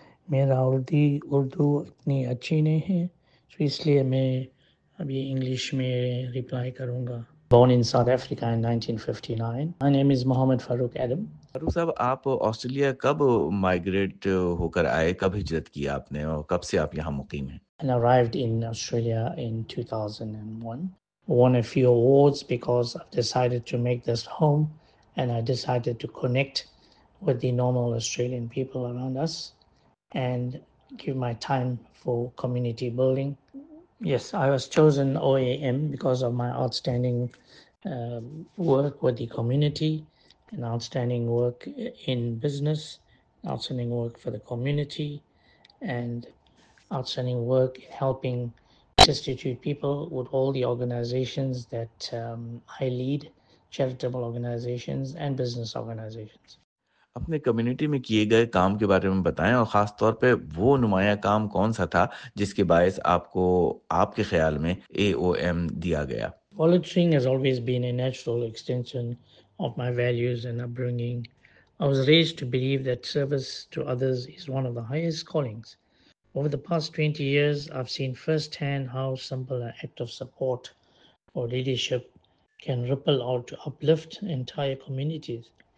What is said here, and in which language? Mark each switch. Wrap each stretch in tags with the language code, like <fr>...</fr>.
<hi>मेरा उर्दू इतनी अच्छी नहीं है, इसलिए मैं अभी इंग्लिश में रिप्लाई करूंगा।</hi> <en>Born in South Africa in 1959, my name is Mohammad Farooq Adam.</en> <hi>फारूक साहब, आप ऑस्ट्रेलिया कब माइग्रेट होकर आए, कब हिजरत की आपने और कब से आप यहाँ मुकीम हैं?</hi> <en>I arrived in Australia in 2001, won a few awards because I've decided to make this home and I decided to connect with the normal Australian people around us and give my time for community building. Yes, I was chosen OAM because of my outstanding work with the community and outstanding work in business, outstanding work for the community and outstanding work in helping destitute people with all the organizations that I lead, charitable organizations and business organizations.</en> <hi>अपने community में किए गए काम के बारे में बताएं और खास तौर पे वो नुमाया काम कौन सा था जिसके बायस आपको आपके ख्याल में AOM दिया गया?</hi> <en>Volunteering has always been a natural extension of my values and upbringing. I was raised to believe that service to others is one of the highest callings. Over the past 20 years, I've seen firsthand how simple an act of support or leadership can ripple out to uplift entire communities.</en>